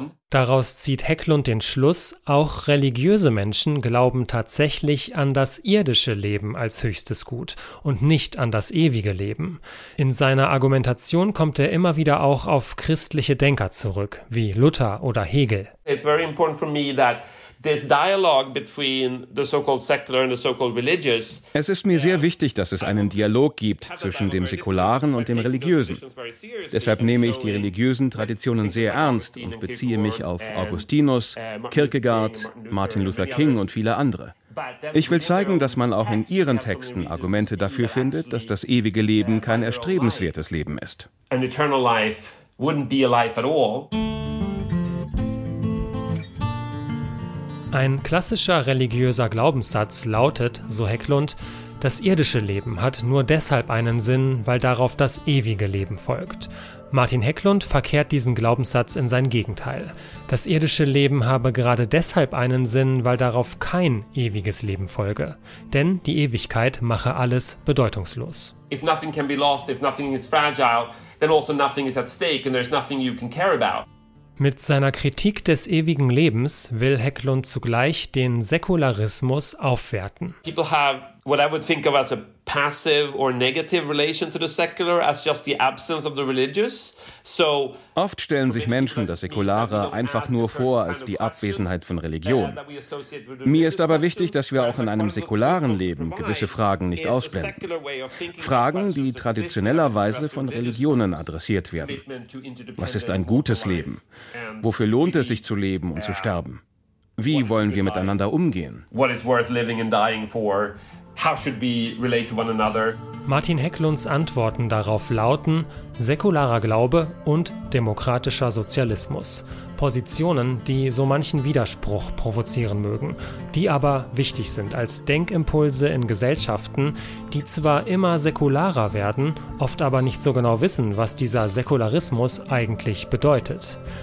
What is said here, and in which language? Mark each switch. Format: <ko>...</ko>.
<de>Daraus zieht Hägglund den Schluss, auch religiöse Menschen glauben tatsächlich an das irdische Leben als höchstes Gut und nicht an das ewige Leben. In seiner Argumentation kommt er immer wieder auch auf christliche Denker zurück, wie Luther oder Hegel.</de> <en>It's very important for me that this dialogue between the so-called secular and the so-called religious.</en> <de>Es ist mir sehr wichtig, dass es einen Dialog gibt zwischen dem Säkularen und dem Religiösen. Deshalb nehme ich die religiösen Traditionen sehr ernst und beziehe mich auf Augustinus, Kierkegaard, Martin Luther King und viele andere. Ich will zeigen, dass man auch in ihren Texten Argumente dafür findet, dass das ewige Leben kein erstrebenswertes Leben ist.</de> <en>An eternal life wouldn't be a life at all.</en> <de>Ein klassischer religiöser Glaubenssatz lautet, so Hägglund, Das irdische Leben hat nur deshalb einen Sinn, weil darauf das ewige Leben folgt. Martin Hecklund verkehrt diesen Glaubenssatz in sein Gegenteil. Das irdische Leben habe gerade deshalb einen Sinn, weil darauf kein ewiges Leben folge. Denn die Ewigkeit mache alles bedeutungslos.</de> <en>If nothing can be lost, if nothing is fragile, then also nothing is at stake and there's nothing you can care about.</en> <de>Mit seiner Kritik des ewigen Lebens will Hecklund zugleich den Säkularismus aufwerten.</de> <en>People have what I would think of as a passive or negative relation to the secular as just the absence of the religious.</en> <de>So oft stellen sich Menschen das Säkulare einfach nur vor als die Abwesenheit von Religion. Mir ist aber wichtig, dass wir auch in einem säkularen Leben gewisse Fragen nicht ausblenden. Fragen, die traditionellerweise von Religionen adressiert werden. Was ist ein gutes Leben? Wofür lohnt es sich zu leben und zu sterben? Wie wollen wir miteinander umgehen?</de> <en>What is worth living and dying for? How should we relate to one another?</en> <de>Martin Hecklunds Antworten darauf lauten: säkularer Glaube und demokratischer Sozialismus. Positionen, die so manchen Widerspruch provozieren mögen, die aber wichtig sind als Denkimpulse in Gesellschaften, die zwar immer säkularer werden, oft aber nicht so genau wissen, was dieser Säkularismus eigentlich bedeutet.</de>